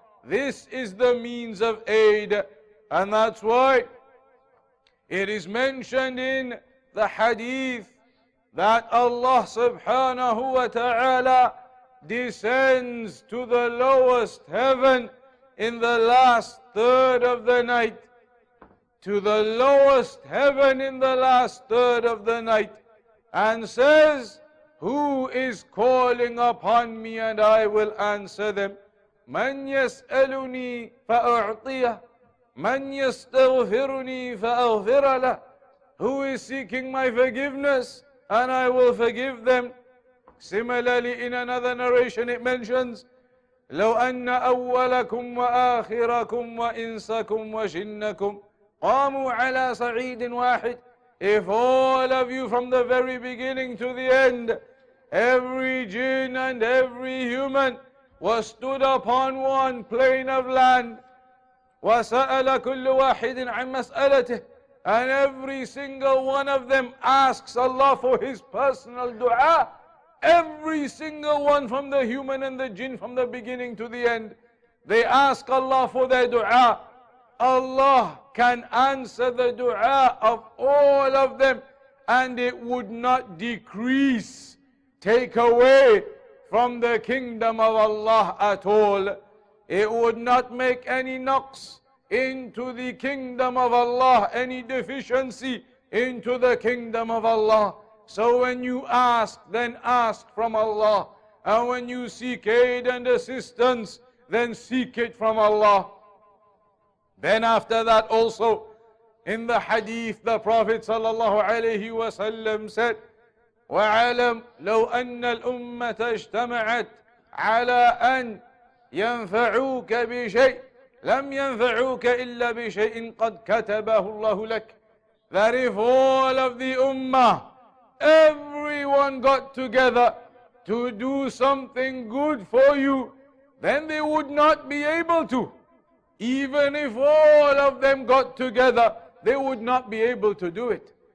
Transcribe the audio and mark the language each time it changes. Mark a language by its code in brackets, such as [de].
[en] This is the means of aid. And that's why it is mentioned in the hadith that Allah subhanahu wa ta'ala descends to the lowest heaven in the last third of the night. To the lowest heaven in the last third of the night. And says, who is calling upon me and I will answer them? [ar] من يسألني فأعطيه من يستغفرني فأغفر له. [en] Who is seeking my forgiveness and I will forgive them. Similarly, in another narration it mentions, [ar] لو أن أولكم وآخركم وإنسكم وجنكم قاموا على صعيد واحد. [en] If all of you from the very beginning to the end, every jinn and every human, was stood upon one plane of land, [ar] وَسَأَلَ كُلُّ وَاحِدٍ عَنْ مَسْأَلَتِهِ, [en] and every single one of them asks Allah for his personal dua, every single one from the human and the jinn from the beginning to the end, they ask Allah for their dua, Allah can answer the dua of all of them, and it would not decrease, take away from the kingdom of Allah at all. It would not make any naqs into the kingdom of Allah, any deficiency into the kingdom of Allah. So when you ask, then ask from Allah. And when you seek aid and assistance, then seek it from Allah. Then after that also, in the hadith, the Prophet sallallahu alayhi wa sallam said, [ar] وَعَلَمْ لَوْ أَنَّ الْأُمَّةَ اجْتَمَعَتْ عَلَىٰ أَنْ يَنْفَعُوكَ بِشَيْءٍ لَمْ يَنْفَعُوكَ إِلَّا بِشَيْءٍ قَدْ كَتَبَهُ اللَّهُ لَكَ. [en] That if all of the ummah, everyone got together to do something good for you, then they would not be able to. Even if all of them got together, they would not be able to do it.